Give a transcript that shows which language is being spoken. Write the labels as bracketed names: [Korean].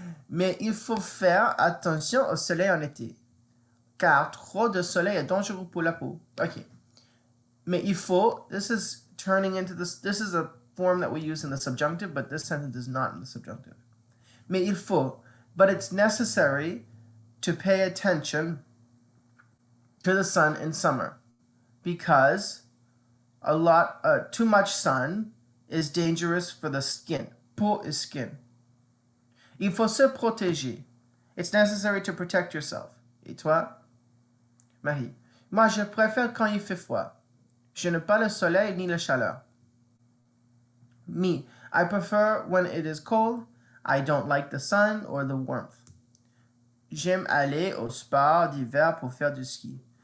[French] Mais il faut faire attention au soleil en été. Car trop de soleil est dangereux pour la peau. [English] OK. [French] Mais il faut... [English] This is turning into this... This is a form that we use in the subjunctive, but this sentence is not in the subjunctive. [French] Mais il faut... [English] But it's necessary to pay attention to the sun in summer. Because too much sun is dangerous for the skin. [French] Peau [English] is skin. [French] Il faut se protéger. [English] It's necessary to protect yourself. [French] Et toi? [English] Marie. [French] Moi, je préfère quand il fait froid. Je n'aime pas le soleil ni la chaleur. [English] Me. I prefer when it is cold. I don't like the sun or the warmth. [French] J'aime aller au sport d'hiver pour faire du ski.